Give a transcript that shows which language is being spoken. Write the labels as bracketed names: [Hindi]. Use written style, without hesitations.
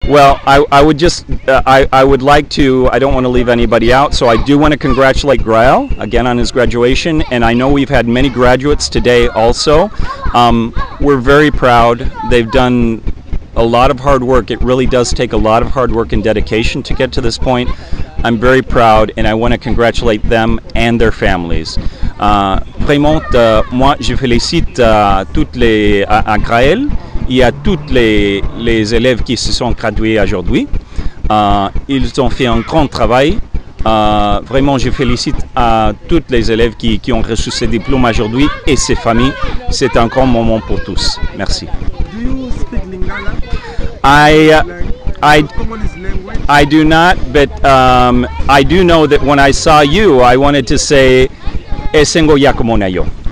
[English] Well, I would just I would like to, I don't want to leave anybody out, so I do want to congratulate Grael again on his graduation, and I know we've had many graduates today also. We're very proud. They've done a lot of hard work. It really does take a lot of hard work and dedication to get to this point. I'm very proud, and I want to congratulate them and their families. [French] Vraiment, moi, je félicite toutes les à Grael. Il y a tous les élèves qui se sont gradués aujourd'hui. Ils ont fait un grand travail. Vraiment, je félicite à tous les élèves qui ont reçu ces diplômes aujourd'hui et ces familles. C'est un grand moment pour tous. Merci. [English] Do you speak Lingala? I do not, but I do know that when I saw you, I wanted to say [Lingala] Esengo Yakumonayo.